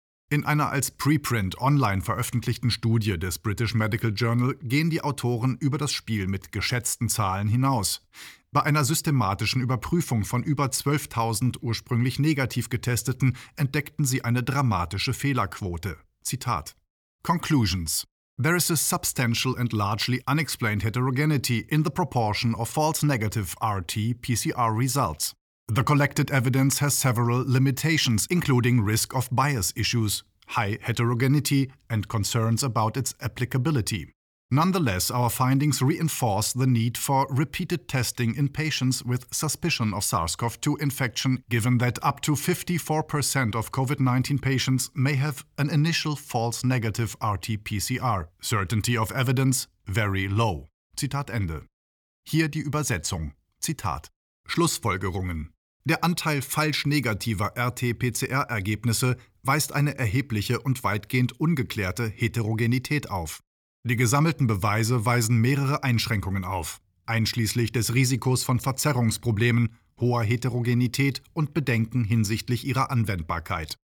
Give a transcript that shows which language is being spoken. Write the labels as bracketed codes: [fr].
[de] In einer als Preprint online veröffentlichten Studie des British Medical Journal gehen die Autoren über das Spiel mit geschätzten Zahlen hinaus. Bei einer systematischen Überprüfung von über 12.000 ursprünglich negativ Getesteten entdeckten sie eine dramatische Fehlerquote. Zitat: Conclusions. [en] There is a substantial and largely unexplained heterogeneity in the proportion of false negative RT-PCR results. The collected evidence has several limitations, including risk of bias issues, high heterogeneity, and concerns about its applicability. Nonetheless, our findings reinforce the need for repeated testing in patients with suspicion of SARS-CoV-2 infection, given that up to 54% of COVID-19 patients may have an initial false negative RT-PCR. Certainty of evidence very low. [de] Zitat Ende. Hier die Übersetzung. Zitat. Schlussfolgerungen. Der Anteil falsch negativer RT-PCR-Ergebnisse weist eine erhebliche und weitgehend ungeklärte Heterogenität auf. Die gesammelten Beweise weisen mehrere Einschränkungen auf, einschließlich des Risikos von Verzerrungsproblemen, hoher Heterogenität und Bedenken hinsichtlich ihrer Anwendbarkeit.